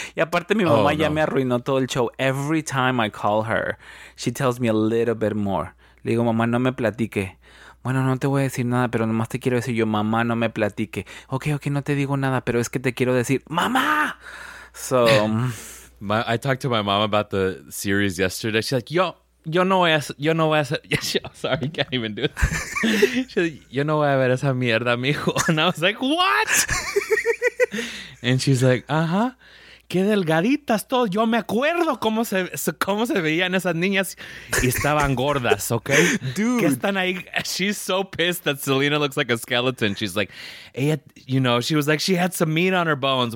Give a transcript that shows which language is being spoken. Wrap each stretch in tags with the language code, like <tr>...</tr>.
<es>Y aparte, mi mamá ya me arruinó todo el show.</es> <en>Every time I call her, she tells me a little bit more.</en> <es>Le digo, mamá, no me platique. Bueno, no te voy a decir nada, pero nomás te quiero decir yo, mamá, no me platique. Ok, no te digo nada, pero es que te quiero decir, ¡mamá!</es> <en>So, I talked to my mom about the series yesterday. She's like,</en> <es>yo no voy a hacer,</es> <en>can't even do it. She's like,</en> <es>yo no voy a ver esa mierda, mijo.</es> <en>And I was like, what? And she's like, uh-huh.</en> <es>Qué delgaditas todos. Yo me acuerdo cómo se veían esas niñas y estaban gordas, okay?</es> <en>Dude.</en> <es>¿Qué están ahí?</es> <en>She's so pissed that Selena looks like a skeleton. She's like, hey, you know, she was like, she had some meat on her bones.</en>